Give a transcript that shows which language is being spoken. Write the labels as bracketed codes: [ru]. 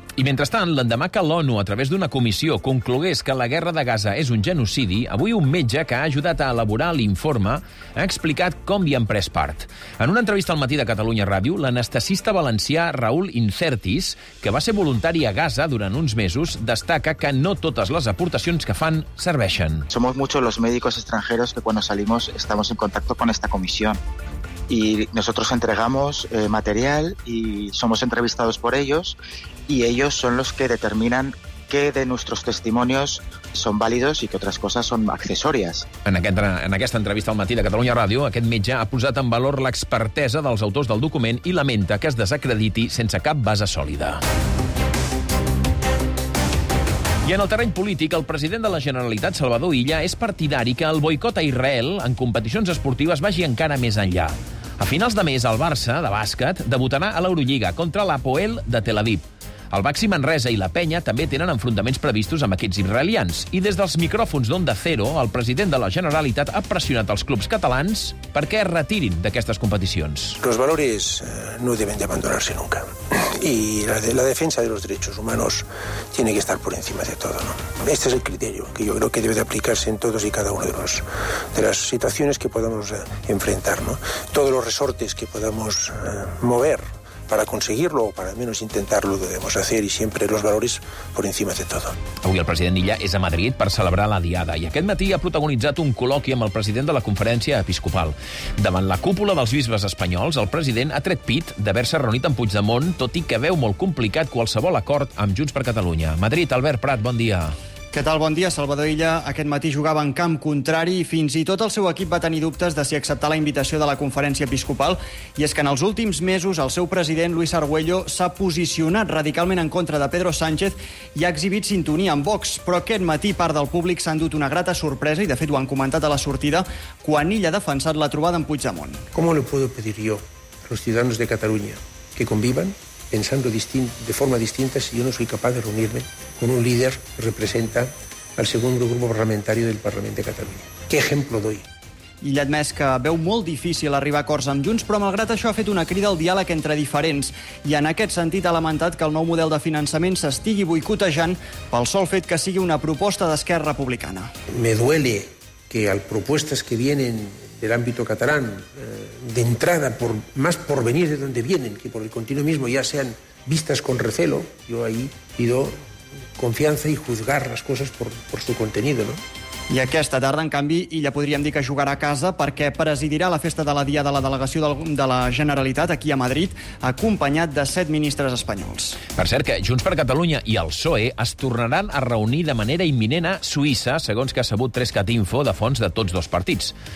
[ca] I mentrestant, l'endemà que l'ONU, a través d'una comissió, conclogués que la guerra de Gaza és un genocidi, avui un metge que ha ajudat a elaborar l'informe ha explicat com hi han pres part. En una entrevista al matí de Catalunya Ràdio, l'anestesista valencià Raül Incertis, que va ser voluntari a Gaza durant uns mesos, destaca que no totes les aportacions que fan serveixen. [es] Somos muchos los médicos extranjeros que cuando salimos estamos en contacto con esta comisión. Y nosotros entregamos material y somos entrevistados por ellos y ellos son los que determinan qué de nuestros testimonios son válidos y qué otras cosas son accesorias. [ca] En aquesta entrevista al matí de Catalunya Ràdio, aquest metge ha posat en valor l'expertesa dels autors del document i lamenta que es desacrediti sense cap base sòlida. I en el terreny polític, el president de la Generalitat, Salvador Illa, és partidari que el boicot a Israel en competicions esportives vagi encara més enllà. A finals de mes, el Barça, de bàsquet, debutarà a l'Eurolliga contra l'Apoel de Tel Aviv. El Baxi Manresa i la Penya també tenen enfrontaments previstos amb equips israelians. I des dels micròfons d'Onda Cero, el president de la Generalitat ha pressionat els clubs catalans perquè es retirin d'aquestes competicions. [es] Los valores no deben de abandonarse nunca. Y la defensa de los derechos humanos tiene que estar por encima de todo, ¿no? Este es el criterio que yo creo que debe de aplicarse en todos y cada uno de las situaciones que podamos enfrentar, ¿no? Todos los resortes que podamos mover para conseguirlo o para al menos intentarlo debemos hacer y siempre los valores por encima de todo. [ca] Avui el president Illa és a Madrid per celebrar la Diada i aquest matí ha protagonitzat un col·loqui amb el president de la Conferència Episcopal. Davant la cúpula dels bisbes espanyols, el president ha tret pit d'haver-se reunit amb Puigdemont, tot i que veu molt complicat qualsevol acord amb Junts per Catalunya. Madrid, Albert Prat, bon dia. Què tal? Bon dia. Salvador Illa aquest matí jugava en camp contrari i fins i tot el seu equip va tenir dubtes de si acceptar la invitació de la Conferència Episcopal. I és que en els últims mesos el seu president, Luis Argüello, s'ha posicionat radicalment en contra de Pedro Sánchez i ha exhibit sintonia amb Vox. Però aquest matí part del públic s'ha endut una grata sorpresa i, de fet, ho han comentat a la sortida quan Illa ha defensat la trobada amb Puigdemont. [es] ¿Cómo le puedo pedir yo a los ciudadanos de Cataluña que convivan pensando de forma distinta si yo no soy capaz de reunirme con un líder que representa al segundo grupo parlamentario del Parlament de Catalunya? ¿Qué ejemplo doy? [ca] I ha admès que veu molt difícil arribar a acords amb Junts, però malgrat això ha fet una crida al diàleg entre diferents. I en aquest sentit ha lamentat que el nou model de finançament s'estigui boicotejant pel sol fet que sigui una proposta d'Esquerra Republicana. [es] Me duele que al propuestas que vienen del ámbito catalán, de entrada, más por venir de donde vienen que por el continuo mismo, ya sean vistas con recelo, yo ahí pido confianza y juzgar las cosas por su contenido, ¿no? [ca] I aquesta tarda, en canvi, Illa podríem dir que jugarà a casa perquè presidirà la festa de la Dia de la Delegació de la Generalitat aquí a Madrid, acompanyat de 7 ministres espanyols. Per cert, que Junts per Catalunya i el PSOE es tornaran a reunir de manera imminent a Suïssa, segons que ha sabut 3Cat Info de fons de tots dos partits.